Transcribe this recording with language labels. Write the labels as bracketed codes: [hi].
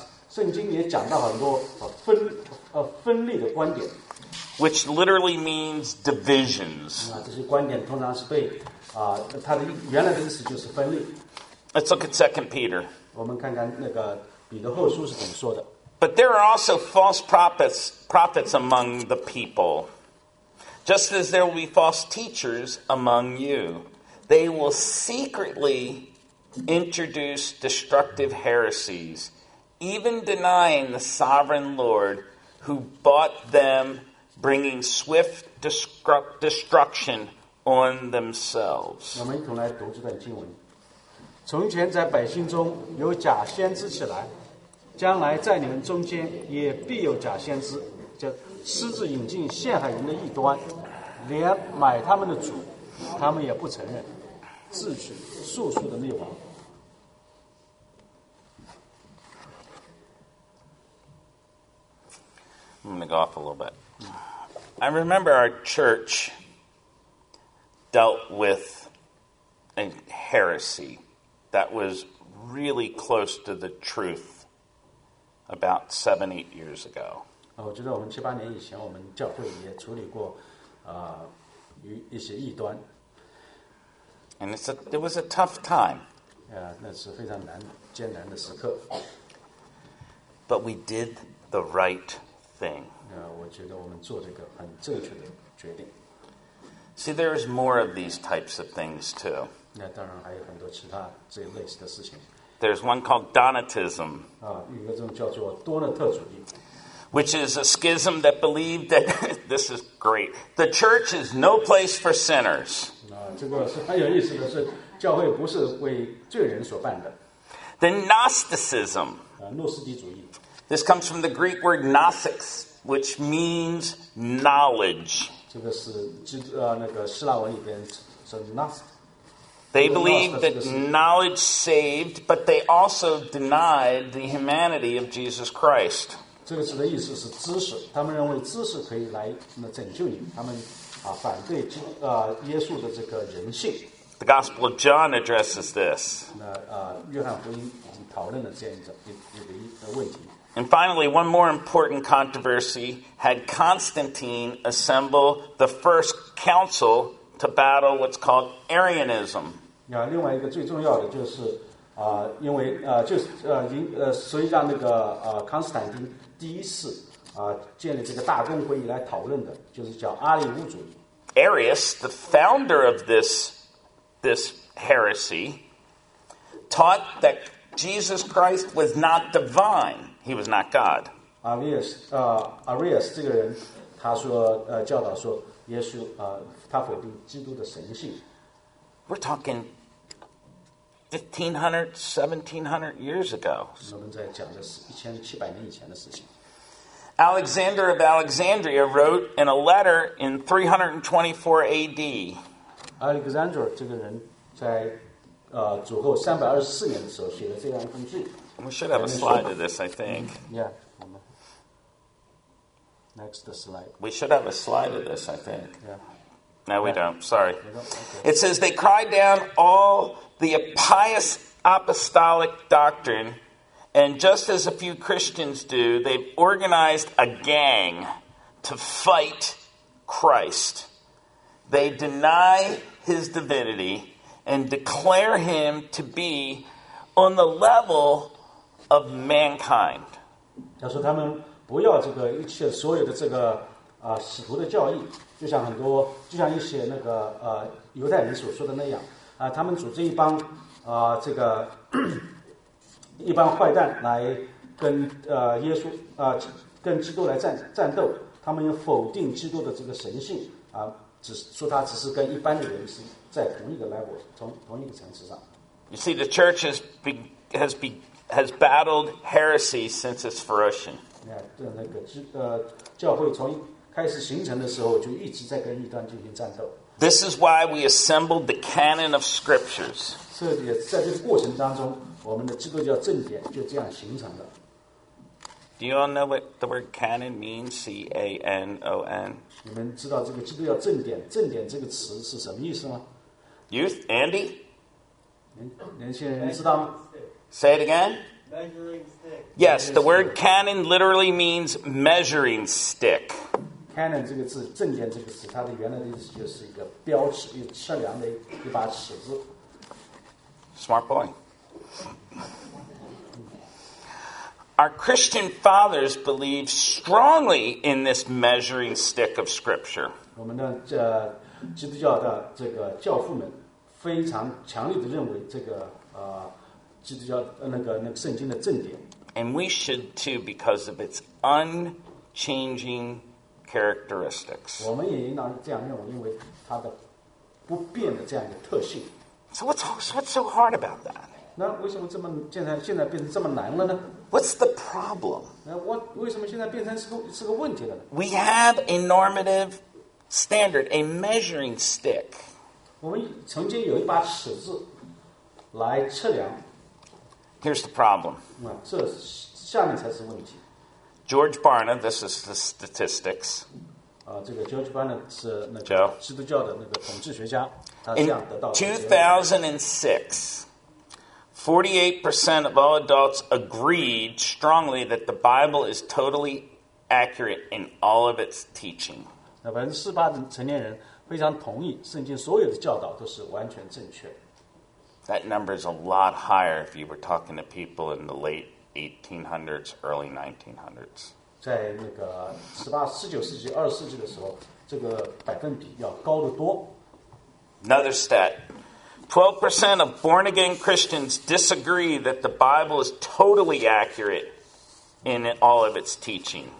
[zh] 圣经也讲到很多分裂的观点。 [en] Which literally means divisions. [zh] 这些观点通常是被它的原来的意思就是分裂。 [en] Let's look at 2 Peter. [zh] 我们看看那个彼得后书是怎么说的。 [en] But there are also false prophets among the people. Just as there will be false teachers among you. They will secretly introduce destructive heresies, even denying the sovereign Lord who bought them, bringing swift destruction on themselves. [zh] 我们一同来读这段经文。从前在百姓中有假先知起来，将来在你们中间也必有假先知，就私自引进陷害人的异端，连买他们的主，他们也不承认。自取速速的灭亡。 [en] I'm going to go off a little bit. I remember our church dealt with a heresy that was really close to the truth about 7-8 years ago. [zh] 我觉得我们七八年以前，我们教会也处理过一些异端。 [en] And it was a tough time. Yeah, [zh] 那是非常艰难的时刻。 [en] But we did the right thing. [zh] 我觉得我们做这个很正确的决定。 [en] See, there is more of these types of things too. [zh] 那当然还有很多其他这类似的事情。 [en] There's one called Donatism. [zh] 有一种叫做多纳特主义。 [en] Which is a schism that believed that this is great. The church is no place for sinners. [zh] 这个是很有意思的是，教会不是为罪人所办的。 [en] The Gnosticism. [zh] 诺斯底主义。 [en] This comes from the Greek word gnosis, which means knowledge. [zh] 这个是那个希腊文里边是 gnos. [en] They believed that knowledge saved, but they also denied the humanity of Jesus Christ. [zh] 这个词的意思是知识，他们认为知识可以来拯救你。他们反对耶稣的这个人性。 [en] The Gospel of John addresses this. [zh] 约翰福音讨论了这样一个问题。 [en] And finally, one more important controversy had Constantine assemble the first council to battle what's called Arianism. [zh] 另外一个最重要的就是因为所以让那个康斯坦丁。第一次建立这个大公会议来讨论的，就是叫阿里乌主义。 [en] Arius, the founder of this heresy, taught that Jesus Christ was not divine. He was not God. [zh] Arius 这个人，他说教导说耶稣他否定基督的神性。 [en] We're talking 1500-1700 years ago. [zh] 我们在讲的是1700年以前的事情。 [en] Alexander of Alexandria wrote in a letter in 324 AD. [zh] Alexander 这个人在主后324年的时候写了这样一封信。 [en] We should have a slide of this, I think. Yeah. Next slide. We should have a slide of this, I think. Yeah. No, we don't. Sorry. Okay. It says they cried down all the pious apostolic doctrine. And just as a few Christians do, they've organized a gang to fight Christ. They deny his divinity and declare him to be on the level of mankind. [zh] 他说他们不要这个一切所有的这个啊使徒的教义，就像很多就像一些那个犹太人所说的那样啊，他们组织一帮啊这个一帮坏蛋来跟耶稣跟基督来战斗，他们又否定基督的这个神性啊，只说他只是跟一般的人是在同一个 level， 同一个层次上。 [en] You see, the church has battled heresy since its fruition. Yeah, [zh] 那个教会从开始形成的时候就一直在跟异端进行战斗。 [en] This is why we assembled the canon of scriptures. [zh] 这也在这个过程当中，我们的基督教正典就这样形成了。 [en] Do you all know what the word canon means? C-A-N-O-N. [zh] 你们知道这个基督教正典，正典这个词是什么意思吗 [en] ？Youth, Andy. [zh] 年轻人知道吗？ [en] Say it again. Measuring stick. Yes, the word canon literally means measuring stick. Canon 这个字，正典这个词，它的原来的意思就是一个标尺，一个测量的一把尺子。 Smart boy. Our Christian fathers believed strongly in this measuring stick of Scripture. [zh] 我们的基督教的这个教父们非常强烈的认为这个基督教那个圣经的正典。 [en] And we should too, because of its unchanging characteristics. [zh] 我们也应当这样认为，因为它的不变的这样一个特性。 [en] So what's so hard about that? [zh] 那为什么这么现在变成这么难了呢 [en] ？What's the problem? [zh] 那为什么现在变成是个问题了呢 [en] ？We have a normative standard, a measuring stick. [zh] 我们曾经有一把尺子来测量。 [en] Here's the problem. [zh] 这下面才是问题。 [en] George Barna, this is the statistics. [zh] 这个 George Barna 是那个基督教的那个统计学家， [en] In 2006. 48% of all adults agreed strongly that the Bible is totally accurate in all of its teaching. [zh] 48% 的成年人非常同意圣经所有的教导都是完全正确。 [en] That number is a lot higher if you were talking to people in the late 1800s, early 1900s. [zh] 在那个19世纪、20世纪的时候，这个百分比要高得多。 [en] Another stat. 12% of born-again Christians disagree that the Bible is totally accurate in all of its teaching.